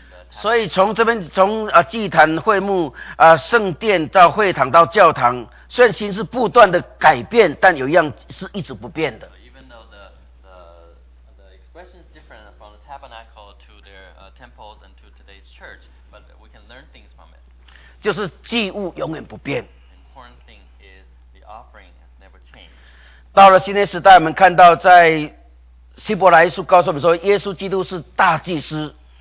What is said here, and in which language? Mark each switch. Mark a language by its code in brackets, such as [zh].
[zh] 所以从这边从祭坛会幕圣殿到会堂到教堂，虽然形式不断的改变，但有一样是一直不变的。 [en] Even though the expression is different from the tabernacle to their temples and to today's church, but we can learn things from it. [zh] 就是祭物永远不变。 [en] Important thing is the offering has never changed. [zh] 到了新约时代，我们看到在希伯来书告诉我们说，耶稣基督是大祭司。